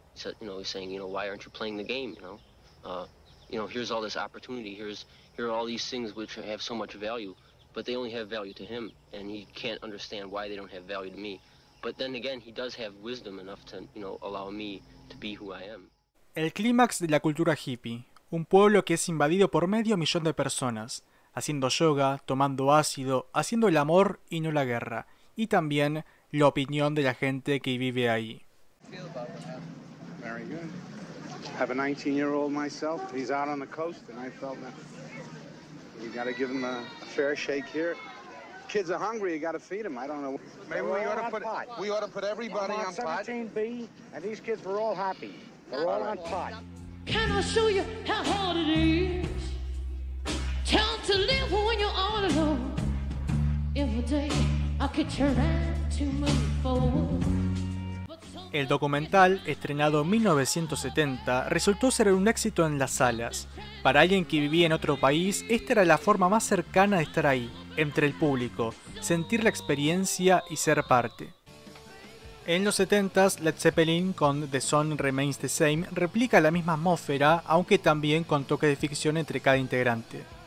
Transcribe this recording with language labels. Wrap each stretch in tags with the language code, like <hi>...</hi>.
<en>He said, you know, he's saying, you know, why aren't you playing the game, you know? You know, here's all this opportunity, here are all these things which have so much value, but they only have value to him, and he can't understand why they don't have value to me. But then again, he does have wisdom enough to, you know, allow me to be who I am.</en> <es>El clímax de la cultura hippie. Un pueblo que es invadido por medio millón de personas, haciendo yoga, tomando ácido, haciendo el amor y no la guerra, y también la opinión de la gente que vive ahí.</es> <en>Very good. I have a 19-year-old myself. He's out on the coast, and I felt that you got to give him a fair shake here. Kids are hungry. You got to feed them. I don't know. Maybe we ought to put pot. We ought to put everybody on 17B, pot. And these kids were all happy. They're all on pot. Can I show you how hard it is? Tell to live when you're all alone. Every day I could turn around to move forward. But some</en> <es>El documental, estrenado en 1970, resultó ser un éxito en las salas. Para alguien que vivía en otro país, esta era la forma más cercana de estar ahí, entre el público, sentir la experiencia y ser parte. En los 70s, Led Zeppelin con The Sun Remains the Same replica la misma atmósfera, aunque también con toque de ficción entre cada integrante.</es>